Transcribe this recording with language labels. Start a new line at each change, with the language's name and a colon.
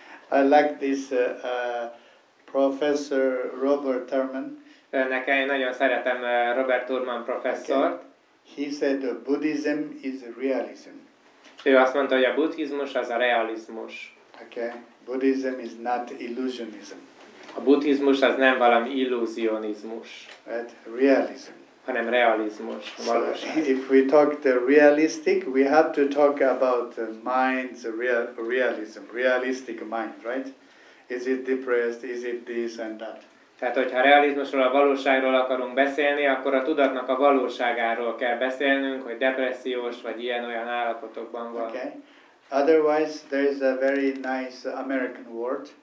English: I like this professor Robert Thurman.
Hungarian: Nekem, én nagyon szeretem Robert Thurman professzort.
English: Okay. He said that Buddhism is realism.
Hungarian: Ő azt mondta, hogy a buddhizmus az a realizmus.
English: Okay. Buddhism is not illusionism.
Hungarian: A buddhizmus az nem valami illúzionizmus.
English: But realism.
Hungarian: Hanem realizmus.
English: So if we talk the realistic, we have to talk about the mind's realism, realistic mind, right? Is it depressed? Is it this and that?
Hungarian: Tehát, hogyha a realizmusról, a valóságról akarunk beszélni, akkor a tudatnak a valóságáról kell beszélnünk, hogy depressziós vagy ilyen-olyan állapotokban van.
English: Okay. Otherwise, there is a very nice American word.